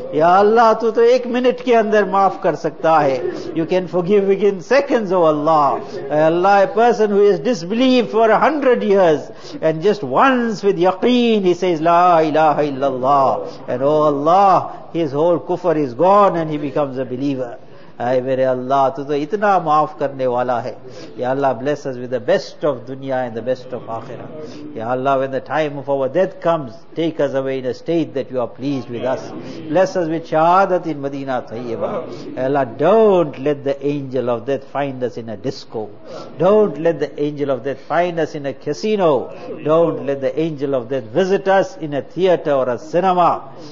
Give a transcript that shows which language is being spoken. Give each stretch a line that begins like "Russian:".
Urdu: Ya Allah, tu to ek minute ke andar maaf kar sakta hai.
English: You can forgive within seconds, O Allah. Allah, a person who has disbelieved for 100 years, and just once with yaqeen, he says,
Arabic: La ilaha illallah.
English: And O Allah, his whole kufr is gone and he becomes a believer.
Urdu: اے میرے اللہ تو اتنا معاف کرنے والا ہے.
English: یا اللہ bless us with the best of دنیا and the best of آخرہ. یا اللہ when the time of our death comes, take us away in a state that you are pleased with us. Bless us with شہادت in Medina Tayyibah.
Urdu: A Allah
English: don't let the angel of death find us in a disco. Don't let the angel of death find us in a casino. Don't let the angel of death visit us in a theater or a cinema.